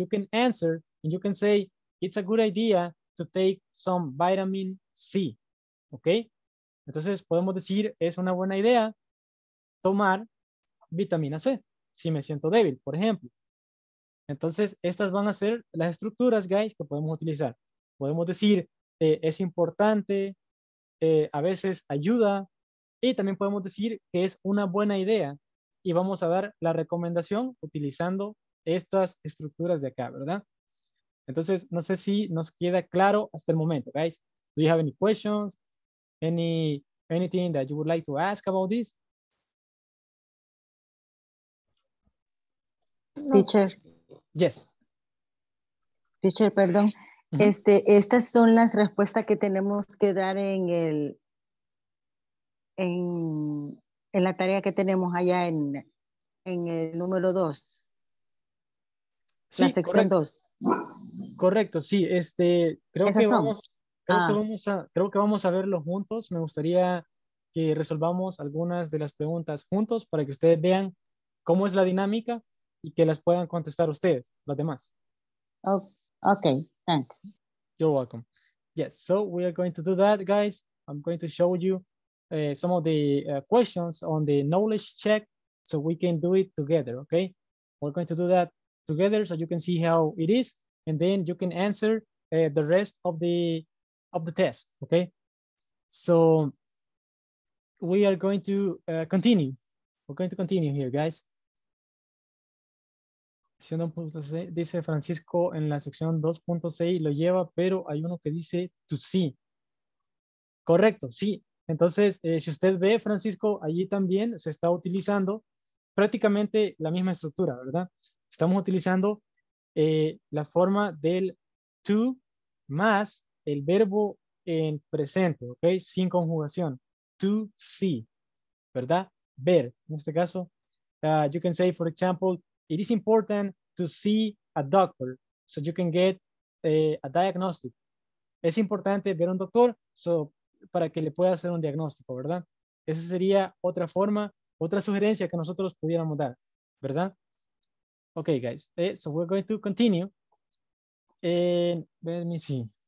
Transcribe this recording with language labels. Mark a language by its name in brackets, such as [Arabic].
[English] You can answer and you can say, it's a good idea to take some vitamin C, ok? [Spanish] Entonces podemos decir, es una buena idea tomar vitamina C si me siento débil, por ejemplo. Entonces estas van a ser las estructuras, guys, que podemos utilizar. Podemos decir, es importante, a veces ayuda, y también podemos decir que es una buena idea, y vamos a dar la recomendación utilizando estas estructuras de acá, ¿verdad? Entonces, no sé si nos queda claro hasta el momento, guys. [English] Do you have any questions? Anything that you would like to ask about this? Teacher. Yes. [Spanish] Teacher, perdón. Uh-huh. Estas son las respuestas que tenemos que dar en la tarea que tenemos allá en el número 2. Sí, la sección 2. Correcto, sí. Creo que vamos a verlo juntos. Me gustaría que resolvamos algunas de las preguntas juntos para que ustedes vean cómo es la dinámica y que las puedan contestar ustedes, las demás. [English] Oh, okay, thanks. You're welcome. Yes, so we are going to do that, guys. I'm going to show you some of the questions on the knowledge check so we can do it together, okay? We're going to do that together so you can see how it is, and then you can answer the rest of the test, okay? So we are going to continue. We're going to continue here, guys. [Spanish] Dice Francisco en la sección 2.6 lo lleva, pero hay uno que dice to see. Correcto, sí. Entonces, si usted ve, Francisco, allí también se está utilizando prácticamente la misma estructura, ¿verdad? Estamos utilizando la forma del to más el verbo en presente, ¿ok? Sin conjugación. To see, ¿verdad? Ver, en este caso. [English] You can say, for example, it is important to see a doctor so you can get a diagnostic. [Spanish] Es importante ver a un doctor para que le pueda hacer un diagnóstico, ¿verdad? Esa sería otra forma, otra sugerencia que nosotros pudiéramos dar, ¿verdad? [English] Okay, guys. So we're going to continue. And let me see.